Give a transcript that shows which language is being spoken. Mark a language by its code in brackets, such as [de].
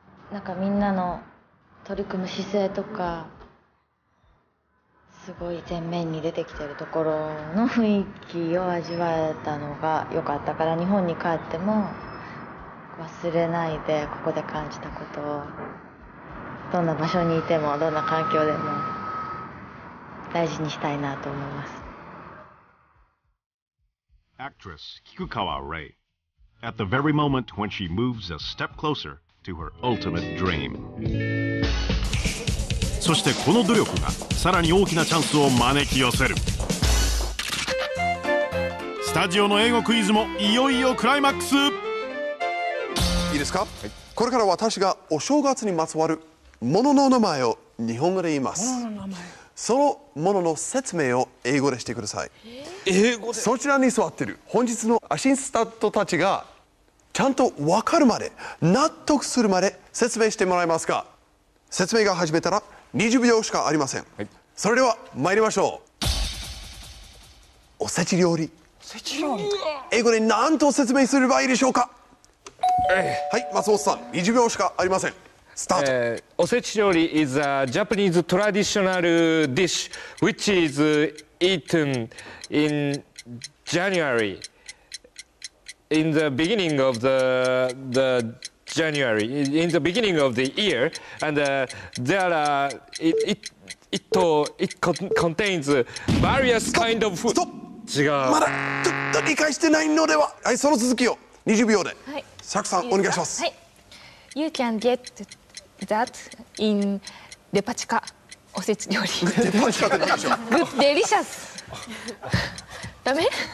[ja] なんかみんなの取り組む姿勢とかすごい前面に出てきてるところの雰囲気を味わえたのが良かったから日本に帰っても忘れないでここで感じたことをどんな場所にいてもどんな環境でも大事にしたいなと思います。 [en] Actress 菊川怜 At the very moment when she moves a step closer, to her ultimate dream. [ja] そしてこの努力がさらに大きなチャンスを招き寄せる。スタジオの英語クイズもいよいよクライマックス。いいですか、はい、これから私がお正月にまつわるものの名前を日本語で言います。ものの名前、そのものの説明を英語でしてください。英語で。そちらに座ってる本日のアシスタントたちがちゃんと分かるまで、納得するまで説明してもらえますか。説明が始めたら20秒しかありません、はい、それでは参りましょう。おせち料理。おせち料理、英語で何と説明すればいいでしょうか。はい、松本さん20秒しかありません。スタート。 [en] おせち料理 is a Japanese traditional dish which is eaten in January in the beginning of the January in the beginning of the year and there are it contains various kind of food. Stop. [ja] 違う。まだちょっと理解してないのでは。はい、その続きを20秒で。はい。サクさんお願いします。 [en] はい。You can get that in デパチカ、おせち料理。 [ja] デパチカって何でしょう。 [en] Good delicious。 [ja] ダメ？